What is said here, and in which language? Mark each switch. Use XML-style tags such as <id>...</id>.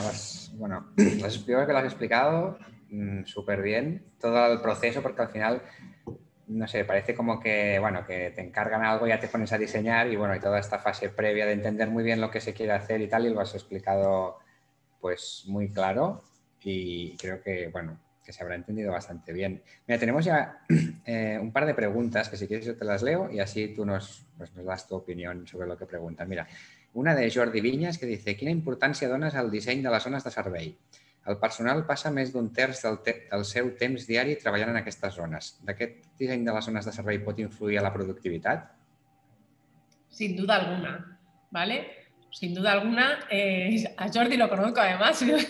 <es>Pues, bueno, pues, yo creo que lo has explicado súper bien, todo el proceso, porque al final, no sé, parece como que, bueno, que te encargan algo y ya te pones a diseñar y, bueno, y toda esta fase previa de entender muy bien lo que se quiere hacer y tal, y lo has explicado, pues, muy claro y creo que, bueno, que se habrá entendido bastante bien. Mira, tenemos ya un par de preguntas que si quieres yo te las leo y así tú nos das tu opinión sobre lo que preguntan. Mira, una de Jordi Viñas que dice,</es> <ca>¿quina importància dones al disseny de les zones de servei? El personal passa més d'un terç del seu temps diari treballant en aquestes zones. D'aquest disseny de les zones de servei pot influir a la productivitat?</ca> <es>Sin duda alguna, ¿vale? Sin duda alguna, a Jordi lo conozco además.</es>